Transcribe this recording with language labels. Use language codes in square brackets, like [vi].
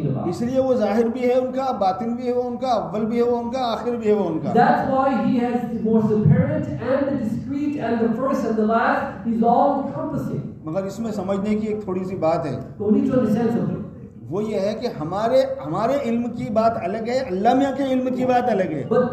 [ur] اس لیے وہ ظاہر بھی ہے ان کا, باطن بھی ہے ان کا, اول بھی ہے ان کا, آخر بھی ہے ان کا. [en] That's why he has the most apparent and the discreet and the first and the last. He's all encompassing. [ur] مگر اس میں سمجھنے کی ایک تھوڑی سی بات ہے, وہ یہ ہے کہ ہمارے علم کی بات الگ ہے, اللہ میاں کے علم کی بات الگ ہے.